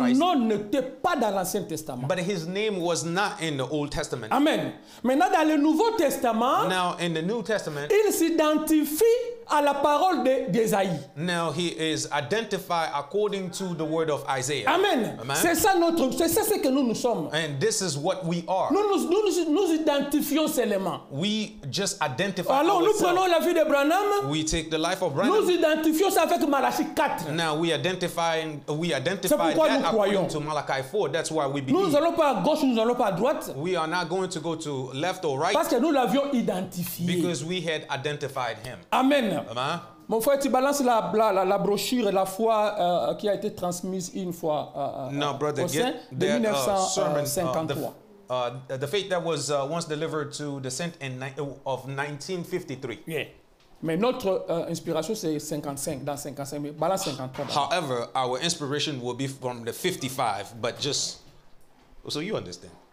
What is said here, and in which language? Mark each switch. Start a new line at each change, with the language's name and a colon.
English: Christ.
French: Nom n'était pas dans l'Ancien Testament.
English: But his name was not in the Old Testament.
French: Amen. Maintenant dans le Nouveau Testament.
English: Now in the New Testament.
French: Il s'identifie à la parole d'Ésaïe.
English: Now he is identified according to the word of Isaiah.
French: Amen.
English: Amen.
French: C'est ça notre, c'est ça ce que nous sommes.
English: And this is what we are.
French: Nous identifions ces éléments.
English: We just identify
French: alors
English: ourselves.
French: Nous prenons la vie de Branham.
English: We take the life of Branham.
French: Nous identifions ça avec Malachi 4.
English: Now we identify that according
French: croyons.
English: To Malachi 4. That's why we believe.
French: Nous allons pas à gauche, nous allons pas à droite.
English: We are not going to go to left or right.
French: Parce que nous l'avions identifié.
English: Because we had identified him.
French: Amen.
English: Amen.
French: Mon frère, tu balances la brochure la foi qui a été transmise une fois
English: no, brother,
French: au sein de 1953.
English: The faith that was once delivered to the saint in of 1953.
French: Yeah. Mais notre inspiration c'est 55 dans 55 mais balance 53. Dans.
English: However, our inspiration will be from the 55, but just so you understand.